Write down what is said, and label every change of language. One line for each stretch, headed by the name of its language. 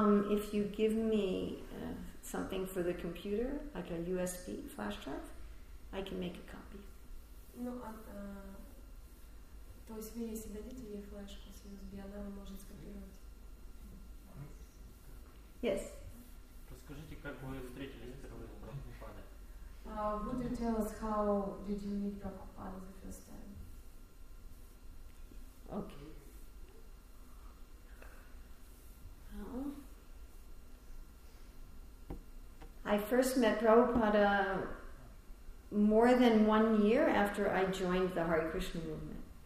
English: If you give me something for the computer, like a USB flash drive, I can make a copy.
Russian: Ну, то есть вы, если дадите ей флешку с USB, она может скопировать.
English: Yes.
Russian: Расскажите, как вы встретились впервые с Прабхупадой?
English: Would you tell us how did you meet Prabhupada the first time? Okay. I first met Prabhupada more than 1 year after I joined the Hare Krishna movement.